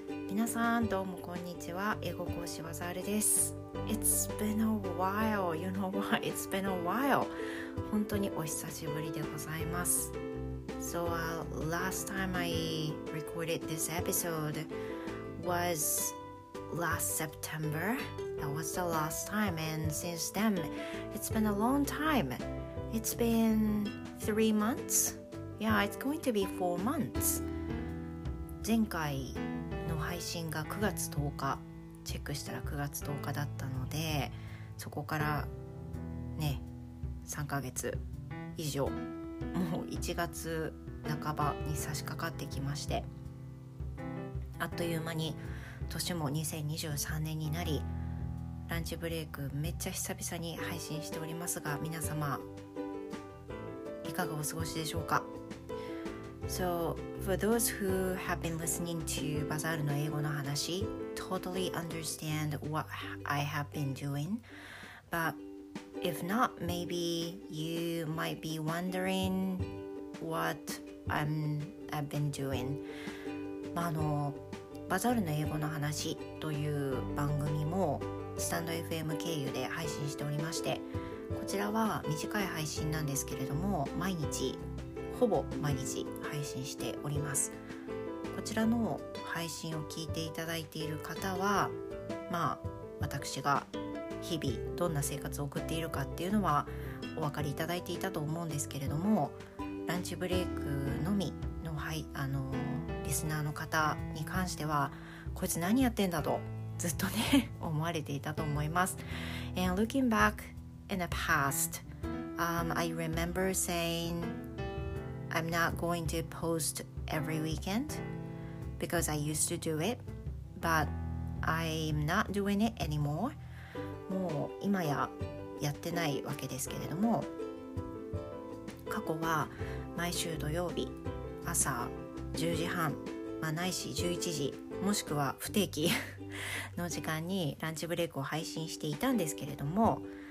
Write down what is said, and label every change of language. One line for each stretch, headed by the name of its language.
Japanese: 皆さん、どうもこんにちは。英語講師わざるです。
English: It's been a while. You know why? It's been a while.
Japanese: 本当にお久しぶりでございます。
English: So, last time I recorded this episode was last September. That was the last time. And since then, it's been a long time. It's been 3 months. Yeah, it's going to be 4 months.
Japanese: 前回の配信が9月10日チェックしたら9月10日だったので、そこからね3ヶ月以上、もう1月半ばに差し掛かってきまして、あっという間に年も2023年になり、ランチブレイクめっちゃ久々に配信しておりますが、皆様いかがお過ごしでしょうか。
English: So, for those who have been listening to Bazaar の英語の話, totally understand what I have been doing. But if not, maybe you might be wondering what I've been doing.
Japanese: Bazaar の英語の話という番組もスタンド FM 経由で配信しておりまして、こちらは短い配信なんですけれども、毎日ほぼ毎日配信しております。こちらの配信を聞いていただいている方は、まあ私が日々どんな生活を送っているかっていうのはお分かりいただいていたと思うんですけれども、ランチブレイクのみの、はい、リスナーの方に関してはこいつ何やってんだとずっとね思われていたと思います。
English: And looking back in the past, I remember sayingI'm not going to post every weekend because I used to do it, but I'm not doing it anymore.
Japanese: もう今ややってないわけですけれども、過去は毎週土曜日朝10時半、まあ、ないし11時、もしくは不定期の時間にランチブレイクを配信していたんですけれども、